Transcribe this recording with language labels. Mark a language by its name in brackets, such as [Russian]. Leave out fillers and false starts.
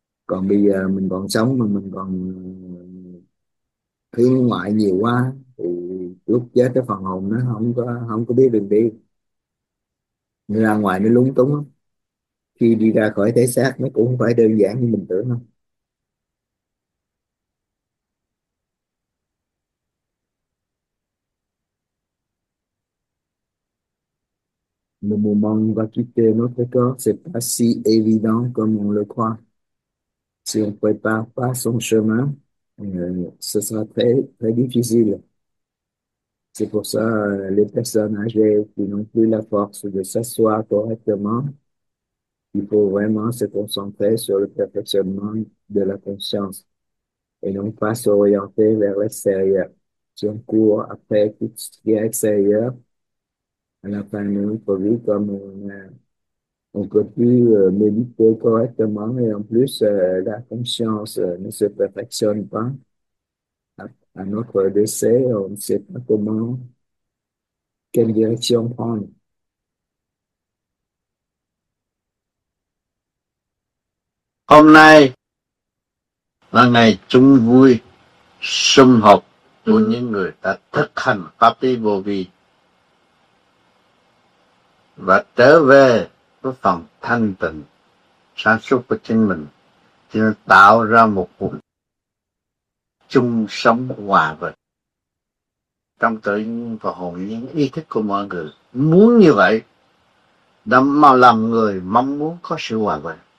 [Vietnamese] Còn bây giờ mình còn sống mà mình còn hướng ngoại nhiều quá thì lúc chết cái phần hồn nó không có biết đường đi, nó ra ngoài nó lúng túng, khi đi ra khỏi thể xác nó cũng không phải đơn giản như mình tưởng không. Nam mô Bổn Sư Thích Ca Mâu Ni Phật. Con mong lời khoa xin quay ta phá sông sơ mã sơ sơ thế thế đi phi di lực [French] c'est pour ça les personnes âgées qui n'ont plus la force de s'asseoir correctement, il faut vraiment se concentrer sur le perfectionnement de la conscience et non pas s'orienter vers l'extérieur. Si on court après tout ce qui est extérieur, à la fin, nous pouvons vivre comme on ne peut plus méditer correctement, et en plus, la conscience ne se perfectionne pas. À notre décès, on ne sait pas comment, quelle direction prendre. [Vietnamese] Hôm nay là ngày chung vui sum họp của những người đã thực hành Pháp Y Vô Vi và trở về với phần thanh tịnh sáng suốt của chính mình, thì tạo ra một cuộc chung sống hòa bình trong tự nhiên và hồn nhiên ý thức của mọi người muốn như vậy, đã mà làm người mong muốn có sự hòa bình.